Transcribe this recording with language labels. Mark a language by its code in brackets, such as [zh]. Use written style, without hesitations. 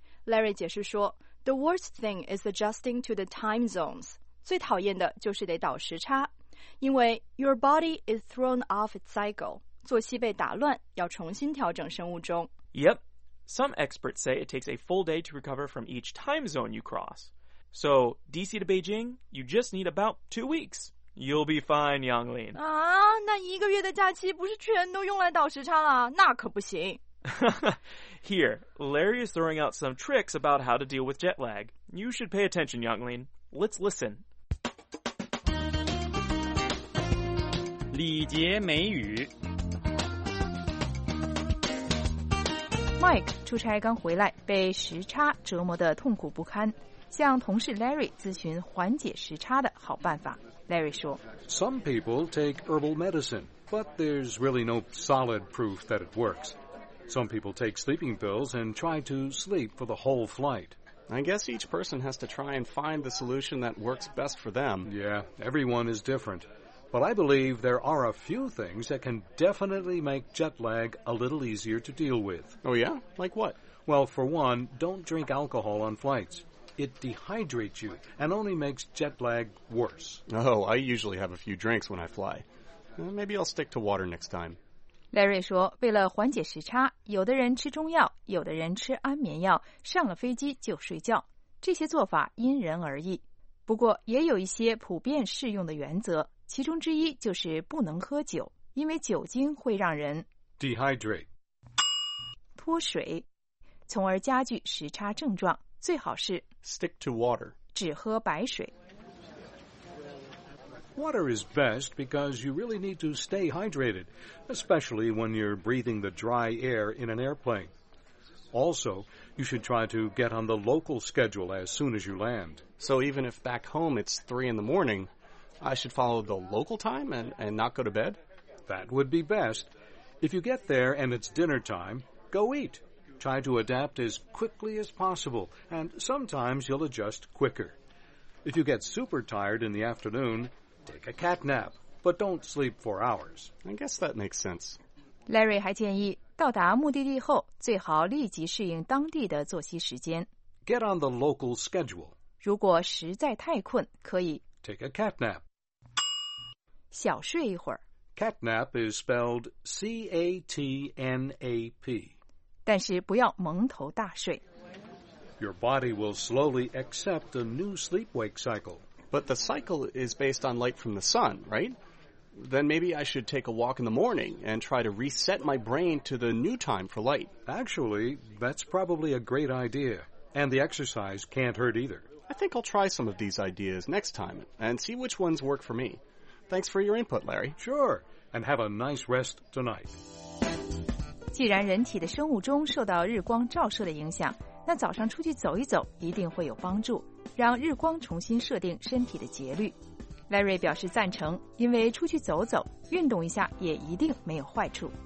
[en] Larry [zh] 解释说 [en] The worst thing is adjusting to the time zones. [zh] 最讨厌的就是得倒时差，因为 [en] your body is thrown off its cycle. [zh] 作息被打乱，要重新调整生物钟。 [en] Yep. Some experts say it takes a full day to recover from each time zone you cross. So, DC to Beijing, you just need about 2 weeks. You'll be fine, Yanglin. [zh] 啊，那一个月的假期不是全都用来倒时差了？那可不行。 [en] Here, Larry is throwing out some tricks about how to deal with jet lag. You should pay attention, Yanglin. Let's listen. [zh] 礼节美语 Mike 出差刚回来，被时差折磨得痛苦不堪，向同事 Larry 咨询缓解时差的好办法。Larry 说 [en] Some people take herbal medicine, but there's really no solid proof that it works. Some people take sleeping pills and try to sleep for the whole flight. I guess each person has to try and find the solution that works best for them. Yeah, everyone is different. But I believe there are a few things that can definitely make jet lag a little easier to deal with. Oh yeah? Like what? Well, for one, don't drink alcohol on flights. It dehydrates you and only makes jet lag worse. Oh, I usually have a few drinks when I fly. Maybe I'll stick to water next time. [zh] Larry 说，为了缓解时差，有的人吃中药，有的人吃安眠药，上了飞机就睡觉。这些做法因人而异，不过也有一些普遍适用的原则，其中之一就是不能喝酒，因为酒精会让人 [en] dehydrate [zh] 脱水，从而加剧时差症状。最好是 [en] stick to water [zh] 只喝白水。 [en] Water is best because you really need to stay hydrated, especially when you're breathing the dry air in an airplane. Also, you should try to get on the local schedule as soon as you land. So even if back home it's 3 a.m, I should follow the local time and not go to bed? That would be best. If you get there and it's dinner time, go eat. Try to adapt as quickly as possible, and sometimes you'll adjust quicker. If you get super tired in the afternoon,Take a cat nap, but don't sleep for hours. I guess that makes sense. [zh] Larry 还建议，到达目的地后，最好立即适应当地的作息时间。 [en] Get on the local schedule. [zh] 如果实在太困，可以 [en] Take a cat nap. [zh] 小睡一会儿。 [en] Cat nap is spelled C-A-T-N-A-P. [zh] 但是不要蒙头大睡。 [en] Your body will slowly accept a new sleep-wake cycle. But the cycle is based on light from the sun, right? Then maybe I should take a walk in the morning and try to reset my brain to the new time for light. Actually, that's probably a great idea. And the exercise can't hurt either. I think I'll try some of these ideas next time and see which ones work for me. Thanks for your input, Larry. Sure. And have a nice rest tonight. [zh] 既然人体的生物钟受到日光照射的影响，那早上出去走一走一定会有帮助。让日光重新设定身体的节律。 Larry 表示赞成，因为出去走走，运动一下也一定没有坏处。